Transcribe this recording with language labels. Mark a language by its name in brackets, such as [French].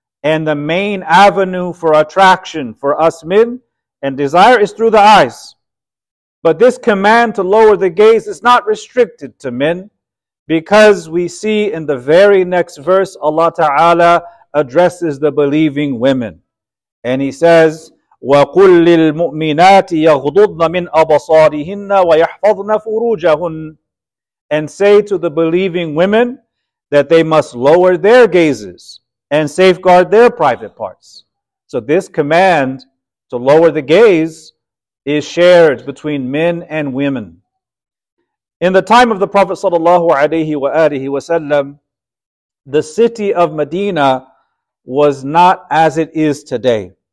[English] And the main avenue for attraction for us men and desire is through the eyes. But this command to lower the gaze is not restricted to men, because we see in the very next verse, Allah Ta'ala addresses the believing women. And He says, [Arabic] وَقُلْ لِلْمُؤْمِنَاتِ يَغْضُضْنَ مِنْ أَبَصَارِهِنَّ وَيَحْفَظْنَ فُرُوجَهُنَّ. [English] And say to the believing women that they must lower their gazes and safeguard their private parts. So this command to lower the gaze is shared between men and women. In the time of the Prophet ﷺ, the city of Medina was not as it is today.